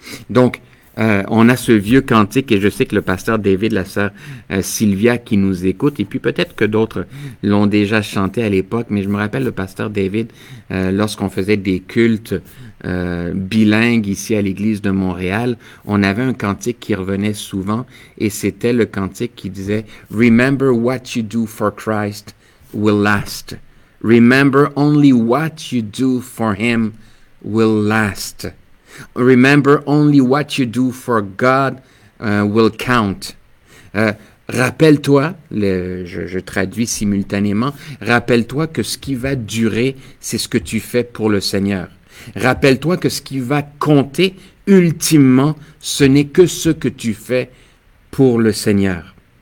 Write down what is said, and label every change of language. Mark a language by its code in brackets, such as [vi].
[fr] Donc, on a ce vieux cantique et je sais que le pasteur David, la sœur Sylvia qui nous écoute et puis peut-être que d'autres l'ont déjà chanté à l'époque, mais je me rappelle le pasteur David lorsqu'on faisait des cultes bilingues ici à l'église de Montréal, on avait un cantique qui revenait souvent et c'était le cantique qui disait [en] Remember what you do for Christ will last. Remember only what you do for him will last. Remember only what you do for God will count. [fr] Rappelle-toi, je traduis simultanément, rappelle-toi que ce qui va durer, c'est ce que tu fais pour le Seigneur. Rappelle-toi que ce qui va compter ultimement, ce n'est que ce que tu fais pour le Seigneur.